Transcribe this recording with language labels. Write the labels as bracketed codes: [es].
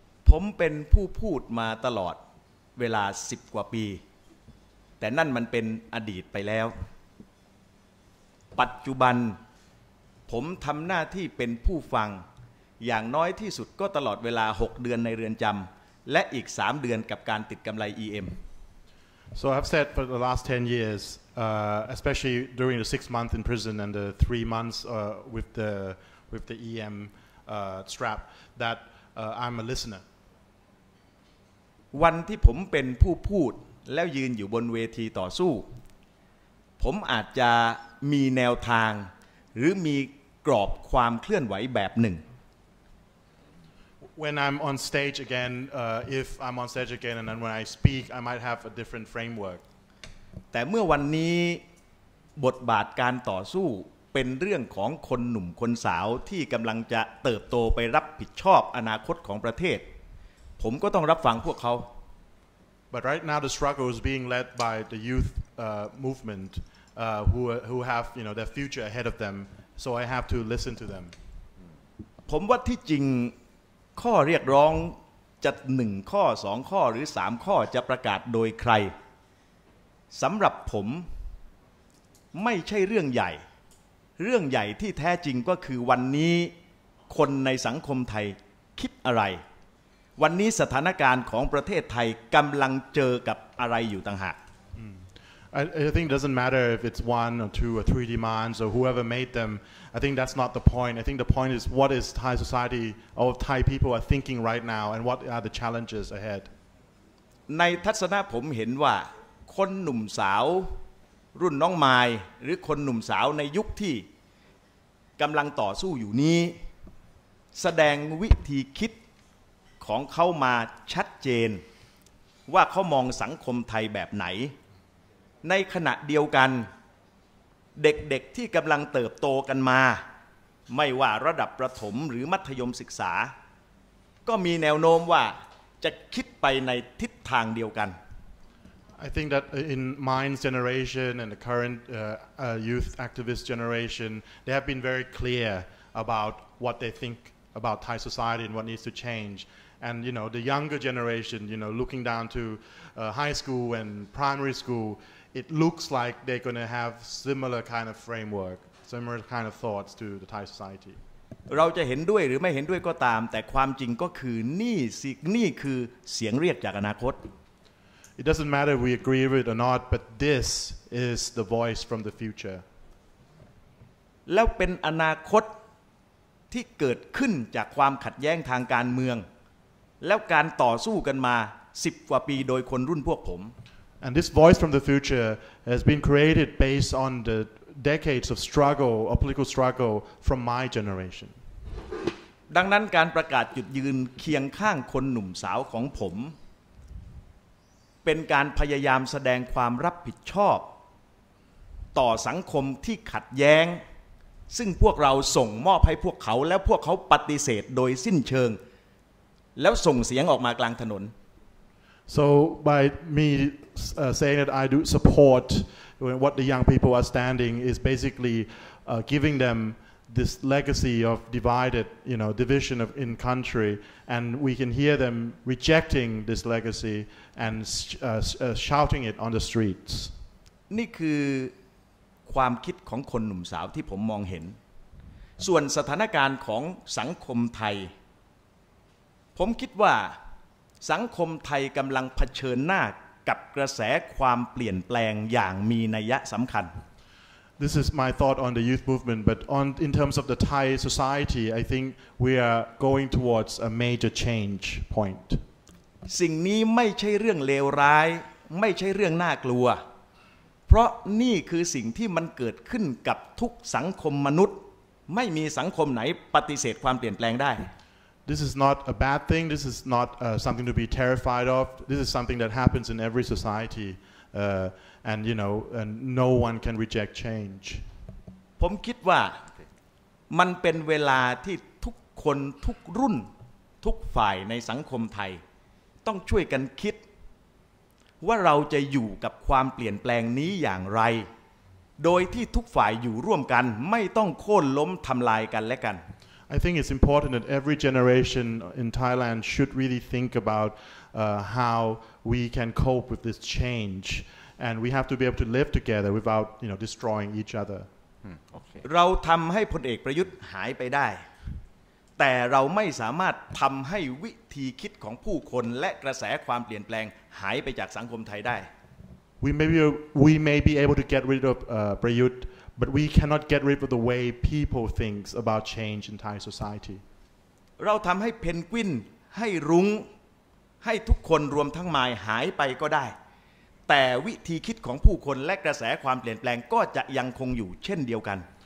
[th] ผมเป็นผู้พูดมาตลอดเวลา10กว่าปีแต่นั่นมันเป็นอดีตไปแล้วปัจจุบันผมทำหน้าที่เป็นผู้ฟังอย่างน้อยที่สุดก็ตลอดเวลา6เดือนในเรือนจำและอีก3เดือนกับการติดกำไร EM [en] So I've said for the last 10 years, especially during the 6 months in prison and the 3 months with the EM strap, that I'm a listener. [th] วันที่ผมเป็นผู้พูดแล้วยืนอยู่บนเวทีต่อสู้ผมอาจจะมีแนวทางหรือมีกรอบความเคลื่อนไหวแบบหนึ่ง [en] When I'm on stage again if I'm on stage again and then when I speak I might have a different framework [th] แต่เมื่อวันนี้บทบาทการต่อสู้เป็นเรื่องของคนหนุ่มคนสาวที่กำลังจะเติบโตไปรับผิดชอบอนาคตของประเทศผมก็ต้องรับฟังพวกเขา [en] But right now the struggle is being led by the youth movement who have you know their future ahead of them so I have to listen to them [th] ผมว่าที่จริงข้อเรียกร้องจะ1ข้อ2ข้อหรือ3ข้อจะประกาศโดยใครสำหรับผมไม่ใช่เรื่องใหญ่เรื่องใหญ่ที่แท้จริงก็คือวันนี้คนในสังคมไทยคิดอะไรวันนี้สถานการณ์ของประเทศไทยกำลังเจอกับอะไรอยู่ต่างหาก [en] I think it doesn't matter if it's one or two or three demands or whoever made them I think that's not the point I think the point is what is Thai society or Thai people are thinking right now and what are the challenges ahead [th] ในทัศนะผมเห็นว่าคนหนุ่มสาวรุ่นน้องไม้หรือคนหนุ่มสาวในยุคที่กำลังต่อสู้อยู่นี้แสดงวิธีคิดของเขามาชัดเจนว่าเขามองสังคมไทยแบบไหนในขณะเดียวกัน เด็กๆที่กำลังเติบโตกันมาไม่ว่าระดับประถมหรือมัธยมศึกษาก็มีแนวโน้มว่าจะคิดไปในทิศทางเดียวกัน [en] I think that in my generation and the current youth activist generation, they have been very clear about what they think about Thai society and what needs to change. And you know, the younger generation, you know, looking down to high school and primary school, it looks like they're going to have similar kind of framework, similar kind of thoughts to the Thai society. [th] เราจะเห็นด้วยหรือไม่เห็นด้วยก็ตามแต่ความจริงก็คือนี่คือเสียงเรียกจากอนาคต [en] It doesn't matter if we agree with it or not, but this is the voice from the future. [th] แล้วเป็นอนาคตที่เกิดขึ้นจากความขัดแย้งทางการเมืองแล้วการต่อสู้กันมา10กว่าปีโดยคนรุ่นพวกผม [en] And this voice from the future has been created based on the decades of struggle, of political struggle from my generation. [th] ดังนั้นการประกาศจุดยืนเคียงข้างคนหนุ่มสาวของผมเป็นการพยายามแสดงความรับผิดชอบต่อสังคมที่ขัดแย้งซึ่งพวกเราส่งมอบให้พวกเขาแล้วพวกเขาปฏิเสธโดยสิ้นเชิงแล้วส่งเสียงออกมากลางถนน [en] So by me saying that I do support what the young people are standing is basically giving them this legacy of divided you know division of in country and we can hear them rejecting this legacy and shouting it on the streets [th] นี่คือความคิดของคนหนุ่มสาวที่ผมมองเห็นส่วนสถานการณ์ของสังคมไทยผมคิดว่าสังคมไทยกำลังเผชิญหน้ากับกระแสความเปลี่ยนแปลงอย่างมีนัยสำคัญ [en] This is my thought on the youth movement, but on in terms of the Thai society, I think we are going towards a major change point. [th] สิ่งนี้ไม่ใช่เรื่องเลวร้ายไม่ใช่เรื่องน่ากลัวเพราะนี่คือสิ่งที่มันเกิดขึ้นกับทุกสังคมมนุษย์ไม่มีสังคมไหนปฏิเสธความเปลี่ยนแปลงได้ [en] This is not a bad thing. This is not something to be terrified of. This is something that happens in every society. And you know, and no one can reject change. [th] ผมคิดว่ามันเป็นเวลาที่ทุกคนทุกรุ่นทุกฝ่ายในสังคมไทยต้องช่วยกันคิดว่าเราจะอยู่กับความเปลี่ยนแปลงนี้อย่างไรโดยที่ทุกฝ่ายอยู่ร่วมกันไม่ต้องโค่นล้มทำลายกันและกัน [en] I think it's important that every generation in Thailand should really think about how we can cope with this change. And we have to be able to live together without, you know, destroying each other. [th] เราทำให้พลเอกประยุทธ์หายไปได้แต่เราไม่สามารถทำให้วิธีคิดของผู้คนและกระแสความเปลี่ยนแปลงหายไปจากสังคมไทยได้ [en] we may be able to get rid of Prayut, but we cannot get rid of the way people thinks about change in Thai society. [th] เราทำให้เพนกวินให้รุ้งให้ทุกคนรวมทั้งมายหายไปก็ได้แต่วิธีคิดของผู้คนและกระแสความเปลี่ยนแปลงก็จะยังคงอยู่เช่นเดียวกัน